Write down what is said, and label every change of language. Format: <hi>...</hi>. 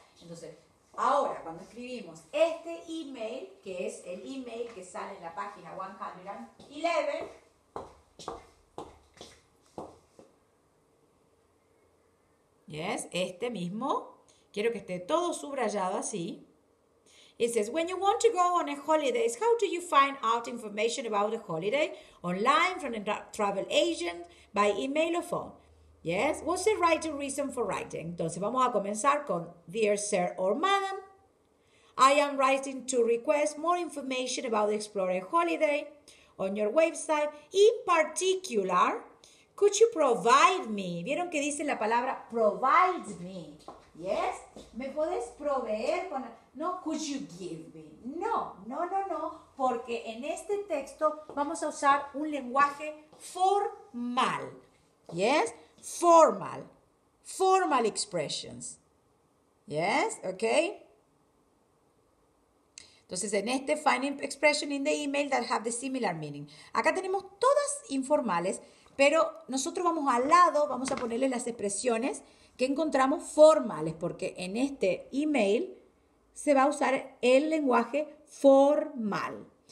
<es>Entonces, ahora cuando escribimos este email, que es el email que sale en la página 111, yes, este mismo, quiero que esté todo subrayado así.</es> <en>It says, when you want to go on a holidays, how do you find out information about a holiday? Online, from a travel agent, by email or phone. Yes, what's the right reason for writing?</en> <es>Entonces vamos a comenzar con,</es> <en>dear sir or madam, I am writing to request more information about the Explorer holiday on your website. In particular, could you provide me?</en> <es>¿Vieron que dice la palabra provide me? Yes, ¿me puedes proveer con? No,</es> <en>could you give me?</en> <es>No, no, no, no, porque en este texto vamos a usar un lenguaje formal.</es> <en>Yes? Formal, formal expressions. Yes, okay.</en> <es>Entonces, en este</es> <en>finding expression in the email that have the similar meaning.</en> <es>Acá tenemos todas informales, pero nosotros vamos al lado, vamos a ponerle las expresiones que encontramos formales, porque en este email se va a usar el lenguaje formal.</es>